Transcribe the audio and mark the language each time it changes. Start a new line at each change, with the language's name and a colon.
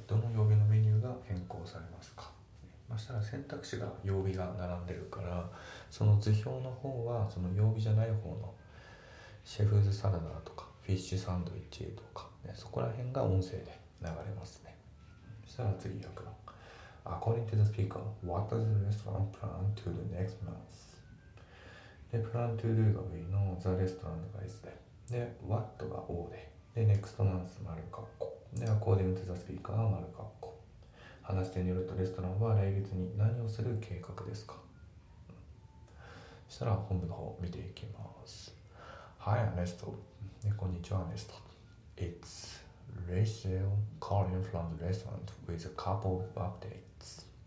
Japanese: どの曜日のメニューが変更されますか。そしたら選択肢が曜日が並んでるから、その図表の方はその曜日じゃない方のシェフズサラダとかフィッシュサンドイッチとかそこら辺が音声で流れますね。そしたら次100番、
English: According to the speaker, what does the restaurant plan to do next month?
Japanese: で、
English: plan to do
Japanese: が V の
English: the restaurant
Japanese: が S で、で、what が O で、で、
English: next month
Japanese: 丸括弧、で、
English: according to the speaker
Japanese: は丸括弧。話してによると、レストランは来月に何をする計画ですか。そしたら本部の方見ていきます。
English: Hi, Ernest.
Japanese: こんにちは、Ernest。
English: It's Rachel calling from the restaurant with a couple of updates.